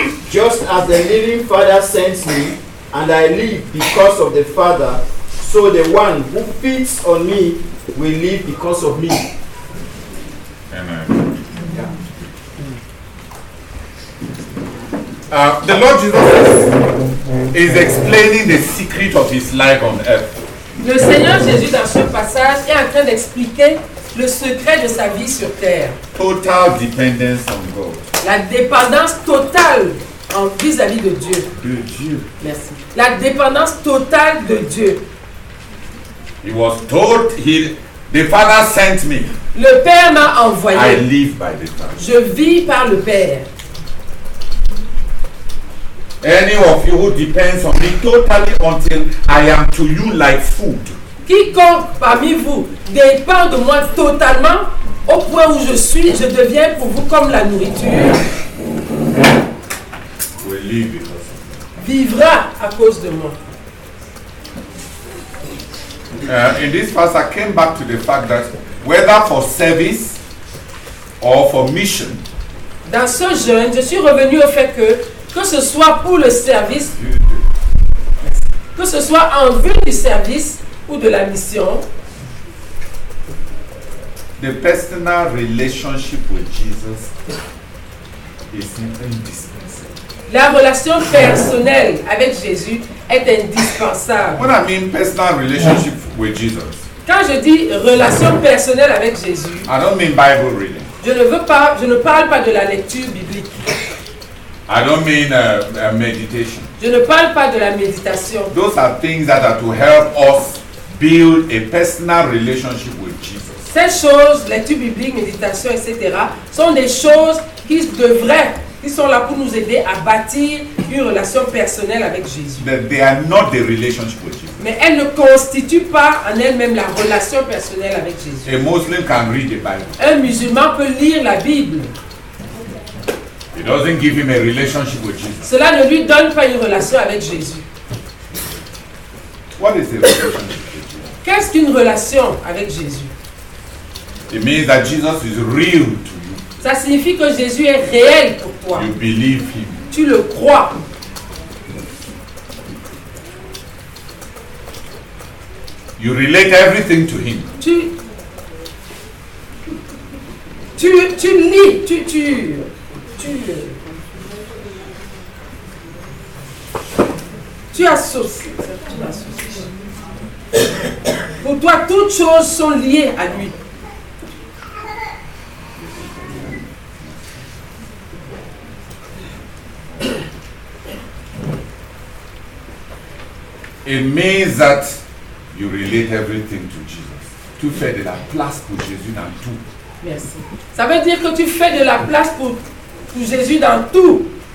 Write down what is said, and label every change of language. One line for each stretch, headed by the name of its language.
English: Just as the living Father sent me, and I live because of the Father, so the one who feeds on me will live because of me. Amen. The Lord Jesus is explaining the secret of his life on earth.
French: Le Seigneur Jésus, dans ce passage, est en train d'expliquer le secret de sa vie sur terre.
English: Total dependence on God.
French: La dépendance totale en vis-à-vis de Dieu. De Dieu. Merci. La dépendance totale de Dieu.
English: He was told, the Father sent me.
French: Le Père m'a envoyé.
English: I live by the Father.
French: Je vis par le Père.
English: Any of you who depends on me totally until I am to you like food.
French: Quiconque parmi vous dépend de moi totalement au point où je suis, je deviens pour vous comme la nourriture.
English: We'll live because of me.
French: Vivra à cause de moi.
English: In this verse, I came back to the fact that whether for service or for mission.
French: Dans ce jeûne, je suis revenu au fait que. Que ce soit pour le service, que ce soit en vue du service ou de la mission,
English: the personal relationship with Jesus is indispensable.
French: La relation personnelle avec Jésus est indispensable.
English: What I mean personal relationship with Jesus?
French: Quand je dis relation personnelle avec Jésus,
English: I don't mean Bible reading.
French: Je ne parle pas de la lecture biblique.
English: I don't mean a meditation.
French: Je ne parle pas de la méditation.
English: Those are things that are to help us build a personal relationship with Jesus.
French: Ces choses, lecture biblique, méditation, etc., sont des choses qui devraient, qui sont là pour nous aider à bâtir une relation personnelle avec Jésus.
English: But they are not the relationship with Jesus.
French: Mais elles ne constituent pas en elles-mêmes la relation personnelle avec Jésus.
English: A Muslim can read the Bible.
French: Un musulman peut lire la Bible.
English: It doesn't give him a relationship with Jesus.
French: Cela ne lui donne pas une relation avec Jésus.
English: What is a relationship with Jesus?
French: Qu'est-ce qu'une relation avec Jésus?
English: It means that Jesus is real to you.
French: Ça signifie que Jésus est réel pour toi.
English: You believe him.
French: Tu le crois.
English: You relate everything to him.
French: Tu associes. Pour toi, toutes choses sont liées à lui.
English: It means that you relate everything to Jesus.
French: Tu fais de la place pour Jésus dans tout. Merci. Ça veut dire que tu fais de la place pour Jésus dans tout.